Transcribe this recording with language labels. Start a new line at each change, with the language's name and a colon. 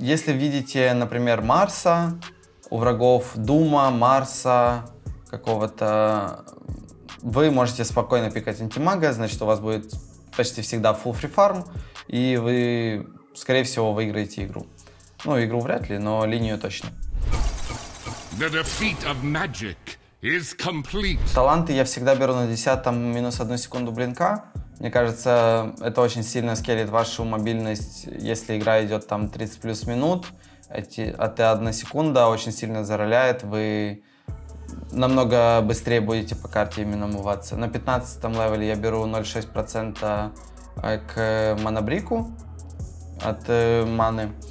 Russian: Если видите, например, Марса, у врагов Дума, Марса, какого-то, вы можете спокойно пикать антимага, значит, у вас будет почти всегда full free farm, и вы, скорее всего, выиграете игру. Ну, игру вряд ли, но линию точно.
English: The defeat of magic is complete.
Russian: Таланты я всегда беру на 10-м минус 1 секунду блинка. Мне кажется, это очень сильно скелит вашу мобильность, если игра идет там 30 плюс минут. Эти 1 секунда очень сильно зароляет. Вы намного быстрее будете по карте именно муваться. На 15 левеле я беру 0,6% к манабрику от маны.